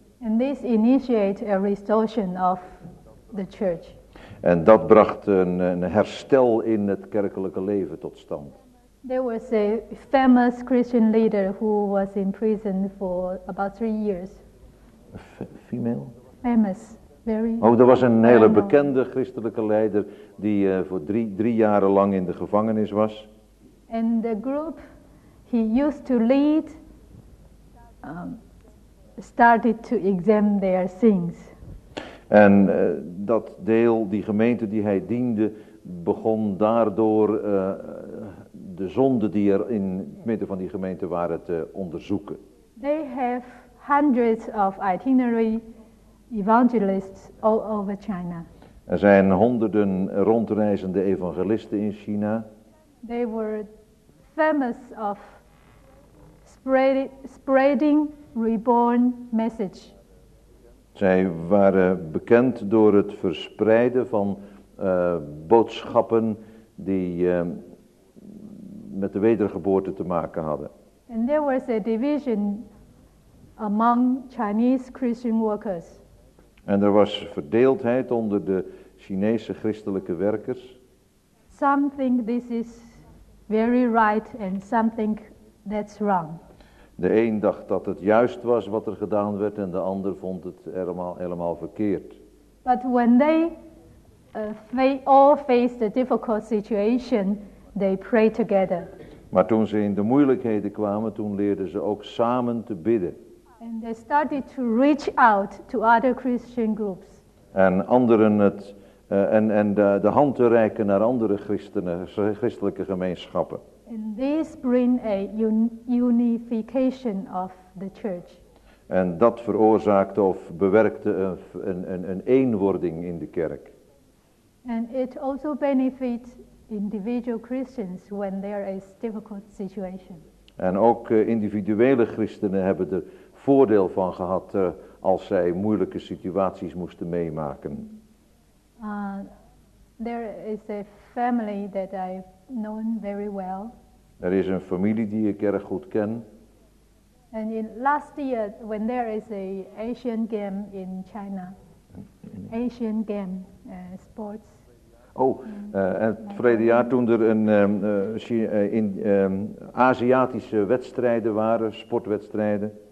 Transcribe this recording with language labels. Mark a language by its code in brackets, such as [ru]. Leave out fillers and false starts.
[en] And this initiate a restoration of the church. [nl] En dat bracht een herstel in het kerkelijke leven tot stand. [en] There was a famous Christian leader who was in prison for about 3 years. Female? Famous, very. [nl] Oh, er was een hele famous. Bekende christelijke leider die voor drie jaren lang in de gevangenis was. [en] And the group he used to lead started to examine their sins. [nl] En dat deel, die gemeente die hij diende, begon daardoor de zonden die er in het midden van die gemeente waren te onderzoeken. [en] They have hundreds of itinerary evangelists all over China. [nl] Er zijn honderden rondreizende evangelisten in China. [en] They were famous of spreading reborn message. [nl] Zij waren bekend door het verspreiden van boodschappen die met de wedergeboorte te maken hadden. [en] And there was a division among Chinese Christian workers. [nl] En er was verdeeldheid onder de Chinese christelijke werkers. [en] Some think this is very right and some think that's wrong. [nl] De een dacht dat het juist was wat er gedaan werd en de ander vond het helemaal verkeerd. [en] But when they all faced a difficult situation, they prayed together. [nl] Maar toen ze in de moeilijkheden kwamen, toen leerden ze ook samen te bidden. [en] And they started to reach out to other Christian groups. [nl] En anderen het de hand te reiken naar andere christelijke gemeenschappen. [en] And this bring a unification of the church. [nl] En dat veroorzaakte of bewerkte een eenwording in de kerk. [en] And it also benefits individual Christians when there is difficult situation. [nl] En ook individuele christenen hebben er voordeel van gehad als zij moeilijke situaties moesten meemaken. [en] There is a family that I've known very well. [nl] Er is een familie die ik erg goed ken. [en] And in last year, when there is a Asian game in China, Asian game, sports. [nl] En het verleden jaar toen er een Aziatische wedstrijden waren, sportwedstrijden.